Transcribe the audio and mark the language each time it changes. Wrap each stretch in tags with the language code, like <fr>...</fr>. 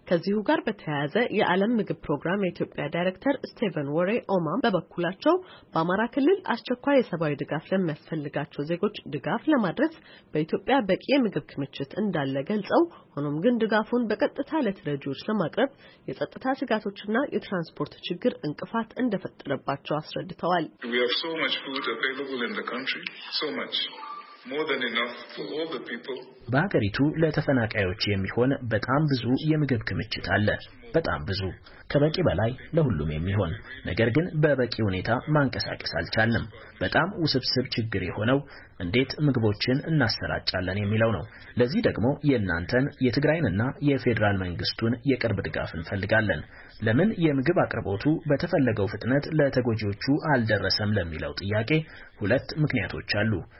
<am>ከዚሁ ጋር በተያያዘ የዓለም ምግብ ፕሮግራም የኢትዮጵያ ዳይሬክተር ስቲቨን ወሬ ኦማ በበኩላቸው በአማራ ክልል አስቸኳይ የሰብአዊ ድጋፍ ለሚያስፈልጋቸው ዜጎች ድጋፍ ለማድረስ በኢትዮጵያ በቂ የምግብ ክምችት እንዳለ ገልጸው፣ ሆኖም ግን ድጋፉን በቀጥታ ለተረጂዎች ለማቅረብ የጸጥታ ስጋቶችና የትራንስፖርት ችግር እንቅፋት እንደፈጠረባቸው አስረድተዋል።</am> <en>We have so much food available in the country. So much. more than enough for all the people.</en> <am>በሀገሪቱ ለተፈናቃዮች የሚሆን በጣም ብዙ የምግብ ክምችት አለ። በጣም ብዙ ከበቂ በላይ ለሁሉም የሚሆን ነገር ግን በበቂ ሁኔታ ማንቀሳቀስ አልቻለም። በጣም ውስብስብ ችግር የሆነው እንዴት ምግቦችን እናሰራጫለን የሚለው ነው። ለዚህ ደግሞ የናንተን የትግራይንና የፌደራል መንግስቱን የቅርብ ድጋፍ እንፈልጋለን። ለምን የምግብ አቅርቦቱ በተፈለገው ፍጥነት ለተጎጂዎቹ አልደረሰም ለሚለው ጥያቄ ሁለት ምክንያቶች አሉ።</am>